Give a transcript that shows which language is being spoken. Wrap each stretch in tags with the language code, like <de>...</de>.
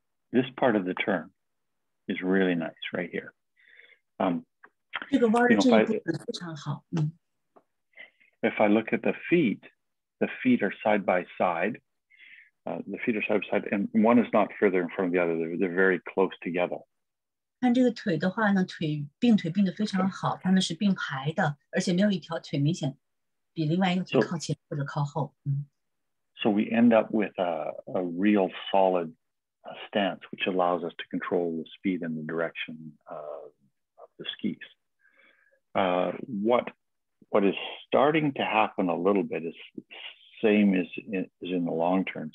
<en>This part of the turn is really nice right here. If I look at the feet are side by side. the feet are side by side, and one is not further in front of the other. They're very close together.</en> <zh>看这个腿的话呢，腿并腿并得非常好， okay. 他们是并排的，而且没有一条腿明显比另外一条腿靠前或者靠后。</zh> <en>So we end up with a real solid stance, which allows us to control the speed and the direction of the skis. What is starting to happen a little bit is same as in the long term.</en>